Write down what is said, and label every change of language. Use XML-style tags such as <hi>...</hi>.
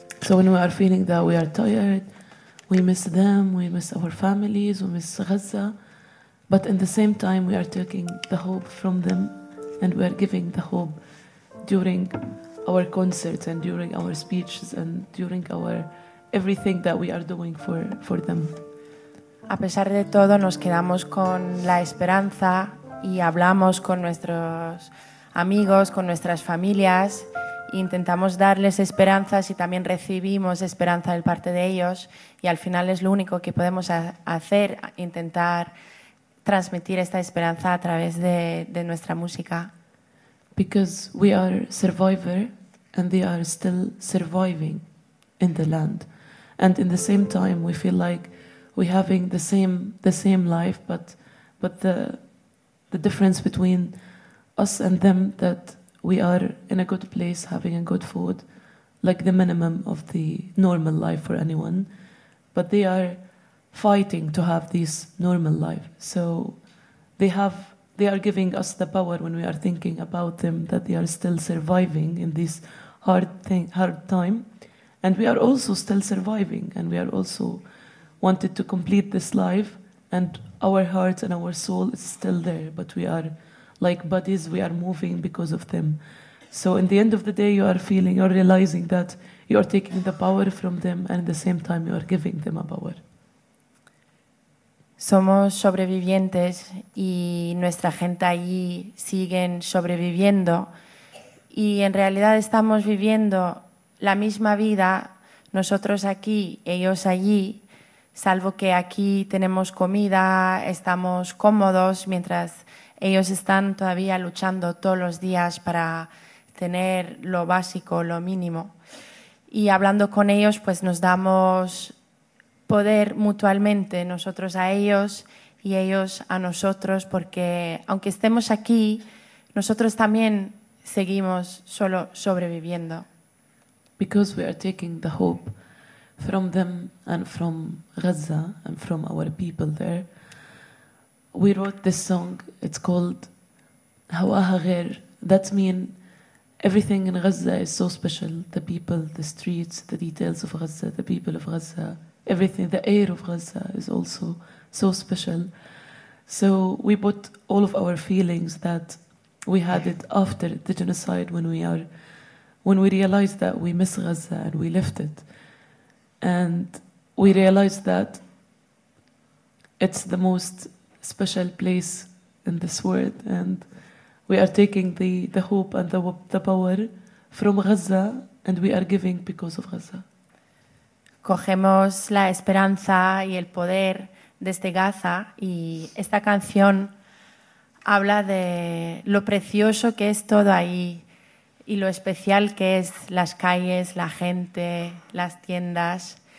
<en>So when we are feeling that we are tired, we miss them, we miss our families, we miss Gaza, but in the same time we are taking the hope from them and we are giving the hope during our concerts and during our speeches and during our everything that we are doing for them.</en> <es>A pesar de todo, nos quedamos con la esperanza y hablamos con nuestros amigos, con nuestras familias, intentamos darles esperanzas y también recibimos esperanza de parte de ellos, y al final es lo único que podemos hacer, intentar transmitir esta esperanza a través de nuestra música.</es> <en>Because we are survivor and they are still surviving in the land. And in the same time we feel like we're having the same life, but the difference between us and them that we are in a good place, having a good food, like the minimum of the normal life for anyone, but they are fighting to have this normal life. So they are giving us the power when we are thinking about them, that they are still surviving in this hard time. And we are also still surviving, and we are also wanted to complete this life, and our heart and our soul is still there, but we are like bodies, we are moving because of them. So in the end of the day, you are feeling, you are realizing that you are taking the power from them, and at the same time you are giving them a power.</en> <es>Somos sobrevivientes y nuestra gente allí siguen sobreviviendo, y en realidad estamos viviendo la misma vida, nosotros aquí, ellos allí, salvo que aquí tenemos comida, estamos cómodos, mientras ellos están todavía luchando todos los días para tener lo básico, lo mínimo. Y hablando con ellos, pues nos damos poder mutuamente, nosotros a ellos y ellos a nosotros, porque aunque estemos aquí, nosotros también seguimos solo sobreviviendo.</es> <en>Because we are taking the hope from them and from Gaza and from our people there, we wrote this song. It's called Hawa Hagher. That means everything in Gaza is so special. The people, the streets, the details of Gaza, the people of Gaza, everything, the air of Gaza is also so special. So we put all of our feelings that we had it after the genocide when we realized that we miss Gaza and we left it. And we realized that it's the most special place in this world. And we are taking the hope and the power from Gaza, and we are giving because of Gaza.</en> <es>Cogemos la esperanza y el poder desde Gaza, y esta canción habla de lo precioso que es todo ahí, y lo especial que es las calles, la gente, las tiendas.</es>